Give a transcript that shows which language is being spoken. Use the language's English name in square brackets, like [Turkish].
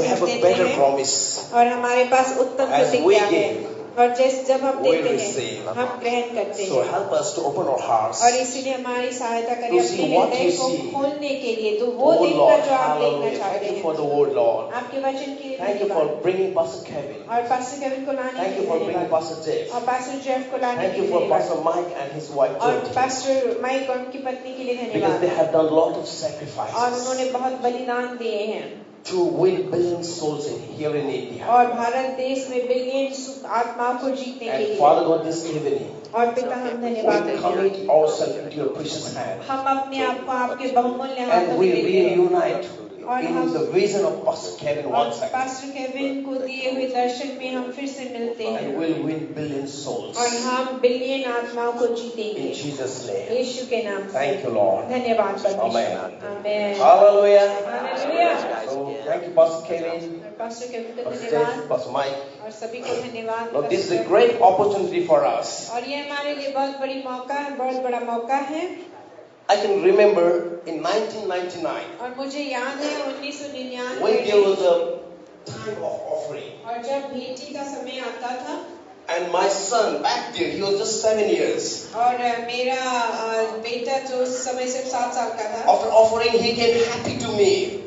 [English] we have a better promise. [Hindi] और हमारे पास उत्तम प्रतिज्ञा है. और जैसे जब हम देते हैं हम ग्रहण करते हैं. [English] So help us to open our hearts. [Hindi] और इसीलिए हमारी सहायता करें अपने हृदय को खोलने के लिए. तो वो दिन का जो आप देखना चाहते हैं. [English] For the word, Lord. [Hindi] आपके वचन के लिए. [English] Thank you for bringing Pastor Kevin. [Hindi] और Pastor Kevin को लाने के लिए. [English] Thank you for bringing Pastor Jeff. [Hindi] और Pastor Jeff को लाने के लिए. [English] Thank you for Pastor Mike and his wife Jody. [Hindi] और Pastor Mike और उनकी पत्नी के लिए धन्यवाद. [English] Because they have done lot of sacrifices. [Hindi] और उन्होंने बहुत बलिदान दिए हैं. [English] To win billion souls in here in India. [Hindi] और भारत देश में बिलियन आत्माओं को जीतने के लिए. [English] Father God, this evening. [Hindi] और पिता हम धन्यवाद करते हैं. [English] We commit ourselves into your precious hand. [Hindi] हम अपने आप को आपके बहुमूल्य हाथों [English] And we reunite in the vision of Pastor Kevin once again. [Hindi] Pastor Kevin को दिए हुए दर्शन में हम फिर से मिलते हैं. [English] And we'll win billion souls. [Hindi] और हम बिलियन आत्माओं को जीतेंगे. [English] In Jesus' name. [Hindi] यीशु के नाम से. [English] Thank you, Lord. [Hindi] धन्यवाद परमेश्वर. [English] Amen. Amen. Hallelujah. Hallelujah. Thank you, Pastor Kevin. Pastor Kevin, Pastor Dave, Pastor Mike. [Hindi] और सभी को धन्यवाद. [English] Lord, this is a great opportunity for us. [Hindi] और ये हमारे लिए बहुत बड़ी मौका है, बहुत बड़ा मौका है. [English] I can remember in 1999. [Hindi] और मुझे याद है 1999. [English] When there was a time of offering. [Hindi] और जब भेंटी का समय आता था. [English] And my son back there, he was just 7 years. After offering, he came happy to me.